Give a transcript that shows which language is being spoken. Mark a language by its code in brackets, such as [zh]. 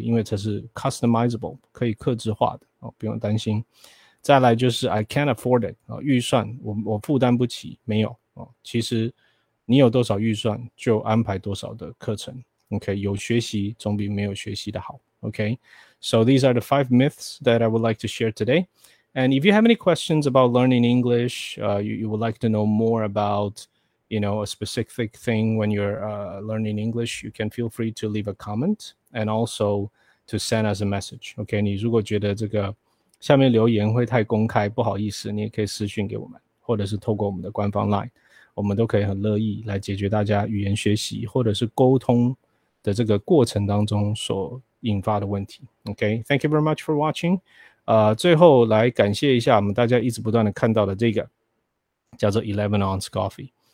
[zh] 因为这是 customizable， 可以客制化的，哦，不用担心。再来就是 [en] I can't afford it， [zh] 哦，预算我负担不起，没有，哦，其实你有多少预算就安排多少的课程 ，OK？有学习总比没有学习的好 ，OK？ [en] So these are the five myths that I would like to share today。 And if you have any questions about learning English, you would like to know more about you know, a specific thing when you're learning English, you can feel free to leave a comment and also to send us a message. [zh] Okay, 你如果觉得这个下面留言会太公开，不好意思，你也可以私讯给我们，或者是透过我们的官方 LINE， 我们都可以很乐意来解决大家语言学习或者是沟通的这个过程当中所引发的问题。 Okay, [en] thank you very much for watching. [zh] 最后来感谢一下我们大家一直不断的看到的这个叫做 11 Ounce Coffee。